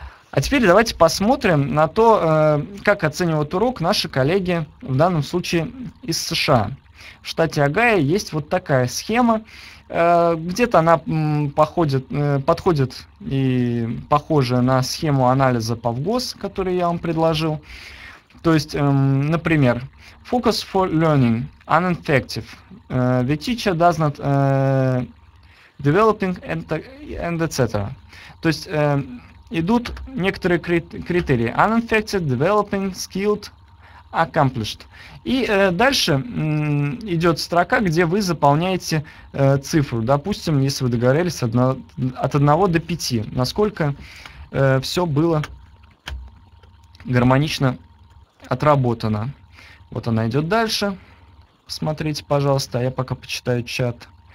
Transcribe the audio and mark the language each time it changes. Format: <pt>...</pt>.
<ru>А теперь давайте посмотрим на то, как оценивают урок наши коллеги, в данном случае, из США. В штате Огайо есть вот такая схема. Где-то она подходит и похожа на схему анализа ПАВГОС, которую я вам предложил. То есть, например,</ru> <en>focus for learning, ineffective. The teacher does not developing and etc.</en> <ru>То есть идут некоторые критерии.</ru> <en>Ineffective, developing, skilled, accomplished.</en> <ru>И дальше идет строка, где вы заполняете цифру. Допустим, если вы догорелись от 1 до 5, насколько все было гармонично отработано. Вот она идет дальше. Посмотрите, пожалуйста, а я пока почитаю чат.</ru>